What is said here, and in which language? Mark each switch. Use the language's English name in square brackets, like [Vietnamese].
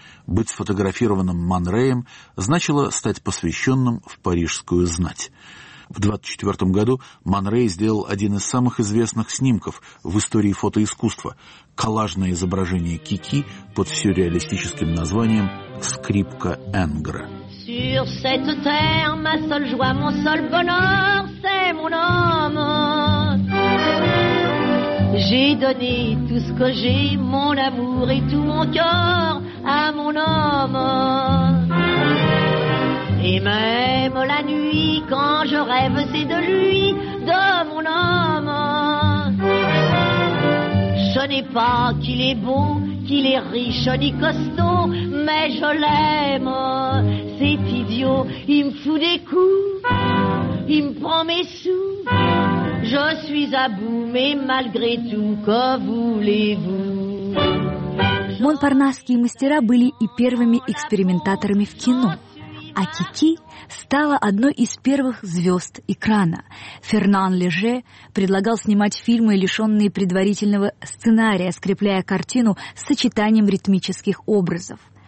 [Russian] Быть сфотографированным Ман Рэем значило стать посвященным в парижскую знать. В 1924 году Ман Рэй сделал один из самых известных снимков в истории фотоискусства – коллажное изображение Кики под сюрреалистическим названием «Скрипка Энгра». [French] Sur cette terre, ma seule joie, mon seul bonheur, c'est mon homme. J'ai donné tout ce que j'ai, mon amour et tout mon cœur à mon homme. Et même la nuit, quand je rêve, c'est de lui, de mon homme. Ce n'est pas qu'il est beau, qu'il est riche ni costaud, mais je l'aime. C'est idiot, il me fout des coups, il me prend mes sous. Je suis à bout, mais malgré tout, que voulez-vous? [Russian] Монпарнасские мастера были и первыми экспериментаторами в кино. А Кики стала одной из первых звезд экрана. Фернан Леже предлагал снимать фильмы, лишенные предварительного сценария, скрепляя картину с сочетанием ритмических образов.